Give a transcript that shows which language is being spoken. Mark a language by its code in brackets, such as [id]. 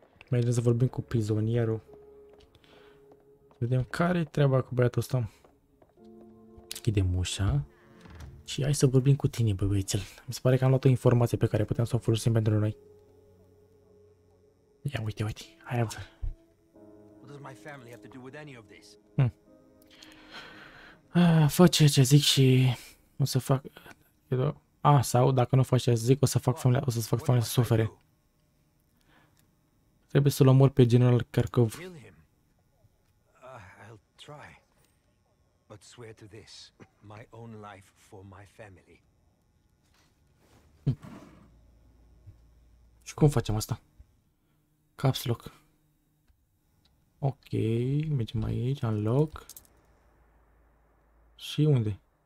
[ro] Mergem să vorbim cu prizonierul. Să vedem care-i treaba cu băiatul ăsta. Închidem ușa. Și hai să vorbim cu tine, bă, băiețel. Mi se pare că am luat o informație pe care putem să o folosim pentru noi. Ia, uite, uite. Hai, avă. [en] Does my family have to do with any of this? [ro] Fă ceea ce zic și o să fac. Sau dacă nu faci ce zic, o să fac familia să sufere. Trebuie să-l omor pe general Kharkov. [en] I'll try. But swear to this, my own life for my family. [ro] Și cum facem asta? [en] Caps lock. [ro] Ok, mergem aici, [en] unlock. [ro] Și unde?